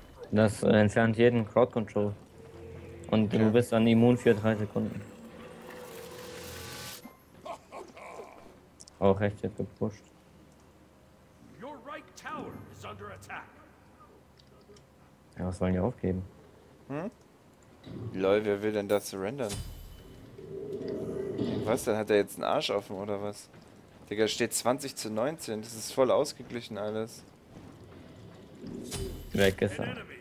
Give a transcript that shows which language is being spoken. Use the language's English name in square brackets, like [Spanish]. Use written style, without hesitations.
[German] Das entfernt jeden Crowd Control. Und okay. Du bist dann immun für 3 Sekunden. Auch recht jetzt gepusht. [English] Your right tower is under attack. [German] Ja, was wollen die aufgeben? Lol, wer will denn das surrendern? Was denn? Hat er jetzt einen Arsch offen oder was? Digga, steht 20 zu 19. Das ist voll ausgeglichen alles. Weggefahren.